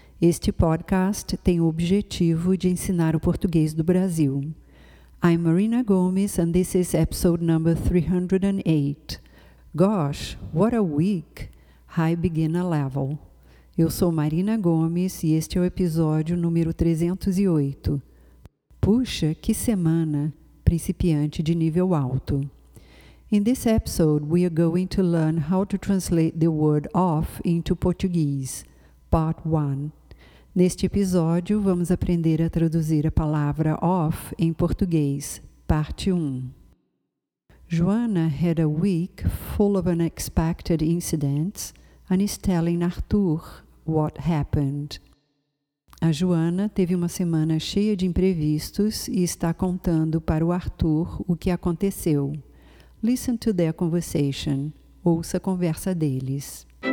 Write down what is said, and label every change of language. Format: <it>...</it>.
<pt>Este podcast tem o objetivo de ensinar o português do Brasil.</pt> <en>I'm Marina Gomes and this is episode number 308. Gosh, what a week! High beginner level.</en> <pt>Eu sou Marina Gomes e este é o episódio número 308. Puxa, que semana! Principiante de nível alto.</pt> <en>In this episode, we are going to learn how to translate the word off into Portuguese, part 1.</en> <pt>Neste episódio, vamos aprender a traduzir a palavra off em português, parte 1.</pt> <en>Joana had a week full of unexpected incidents and is telling Arthur what happened.</en> <pt>A Joana teve uma semana cheia de imprevistos e está contando para o Arthur o que aconteceu.</pt> <en>Listen to their conversation.</en> <pt>Ouça a conversa deles.</pt>